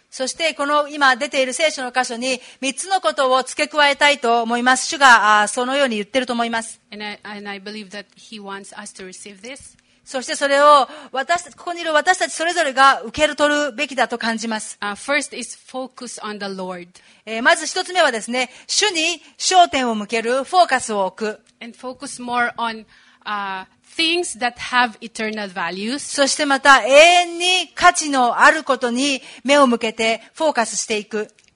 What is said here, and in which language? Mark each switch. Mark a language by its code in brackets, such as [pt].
[ja] そしてこの今出ている聖書の箇所に三つのことを付け加えたいと思います。主がそのように言っていると思います。 [en] And I believe that he wants us to receive this. [ja] そしてそれを ここにいる私たちそれぞれが受け取るべきだと感じます。 [en] First is focus on the Lord. [ja] まず一つ目はですね、主に焦点を向ける、フォーカスを置く。 [en] And focus more on things that have eternal values. [ja] そしてまた永遠に価値のあることに目を向けてフォーカスしていく。